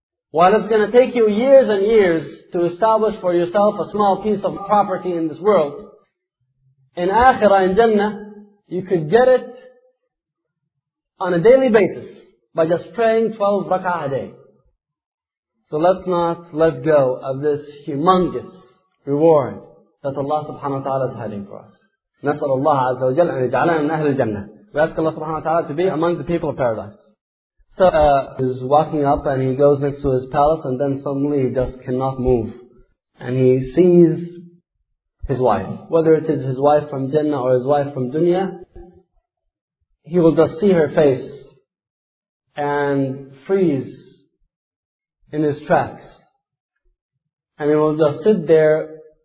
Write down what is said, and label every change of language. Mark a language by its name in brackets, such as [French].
[English] While it's going to take you years and years to establish for yourself a small piece of property in this world, in Akhirah, in Jannah, you could get it on a daily basis by just praying 12 rak'ah a day. So let's not let go of this humongous reward that Allah subhanahu wa ta'ala is hiding for us. [Arabic] نسأل الله عز وجل أن يجعلنا من أهل الجنة. [English] We ask Allah subhanahu wa ta'ala to be among the people of paradise. So he's walking up and he goes next to his palace and then suddenly he just cannot move. And he sees his wife, whether it is his wife from Jannah or his wife from dunya, he will just see her face and freeze in his tracks. And he will just sit there